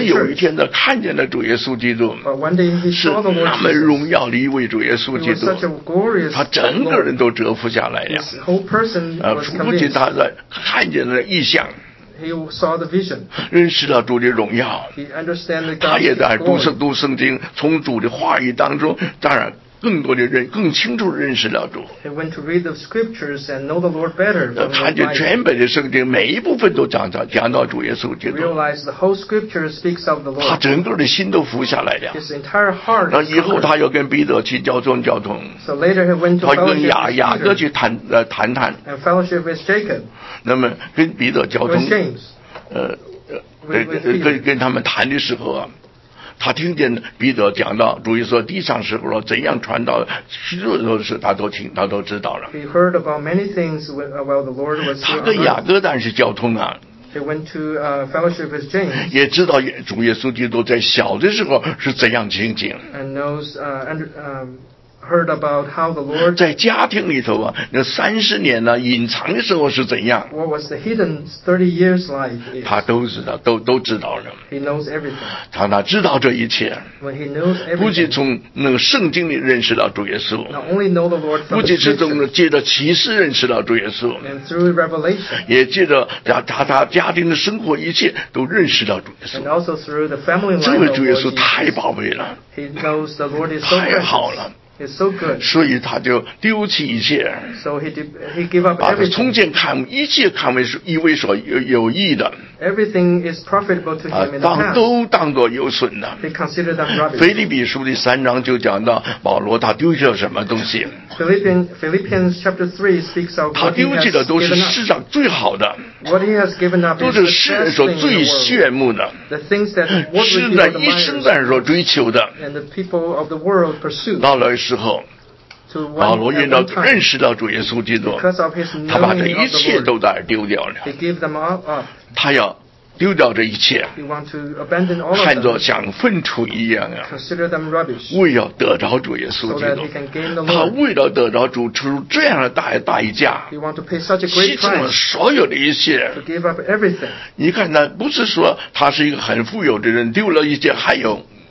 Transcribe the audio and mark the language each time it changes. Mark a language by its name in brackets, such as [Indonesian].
[Chinese] 有一天他看见了主耶稣基督，是那么荣耀的一位主耶稣基督，他整个人都折服下来了。 [English] His whole person was convinced. [Chinese] 不仅他在看见了异象。 [English] he saw the vision. [Chinese] 认识了主的荣耀。 [English] He understand the God. [Chinese] 他也在读圣经，从主的话语当中，当然更多的人更清楚认识了主。 [English] He went to read the scriptures and know the Lord better. [Chinese] 他就全本的圣经每一部分都讲到主耶稣基督。 [English] Realized the whole scripture speaks of the Lord. [Chinese] 他整个的心都服下来了。 [English] His entire heart. [Chinese] 那以后他又跟彼得去交通。 [English] So later he went to fellowship with Peter. [Chinese] 他跟雅各去谈。 [English] And fellowship with Jacob. [Chinese] 那么跟彼得交通。 [English] With James. [Chinese] 跟他们谈的时候啊。他听见彼得讲到主耶稣地上时候怎样传道，许多的事他都知道了。 [English] He heard about many things while the Lord was. [Chinese] 他跟雅各当然是交通啊。 [English] He went to fellowship with James. [Chinese] 也知道主耶稣基督在小的时候是怎样情景。 [English] And knows heard about how the Lord. [Chinese] 在家庭里头啊，那三十年呢，隐藏的时候是怎样 [English] ？What was the hidden 30 years life? [Chinese] 他都知道，都知道了。 [English] He knows everything. [Chinese] 他哪知道这一切 [English] ？When he knows everything. [Chinese] 不仅从那个圣经里认识了主耶稣 [English] ，Not only know the Lord. [Chinese] 不仅是从借着启示认识了主耶稣 [English] ，And through revelation. [Chinese] 也借着他家庭的生活一切都认识了主耶稣 [English] ，And also through the family life. [Chinese] 这位主耶稣太宝贝了 [English] ，He knows the Lord is so precious. [Chinese] 太好了。 [English] It's so good. [Chinese] 所以他就丢弃一切 [English] so he gave up everything. [Chinese] 把他从前看一切看为以为所有益的 [English] everything is profitable to him in the past. [Chinese] 都当作有损的 [English] he considered that rubbish. [Chinese] 腓立比书第三章就讲到保罗他丢弃了什么东西 [English] Philippians chapter 3 speaks of what he has given up. [Chinese] 他丢弃的都是世上最好的 [English] what he has given up is [Chinese] 都是世人所最炫目的 [English] the things that what we [Chinese] people admire 一生在所追求的 [English] and the people of the world pursue. [Chinese] 到了时候保罗遇到认识到主耶稣基督他把这一切都在丢掉了他要丢掉这一切看作像粪土一样啊为要得着主耶稣基督他为了得着主出这样的代价牺牲了所有的一切你看他不是说他是一个很富有的人丢了一切还有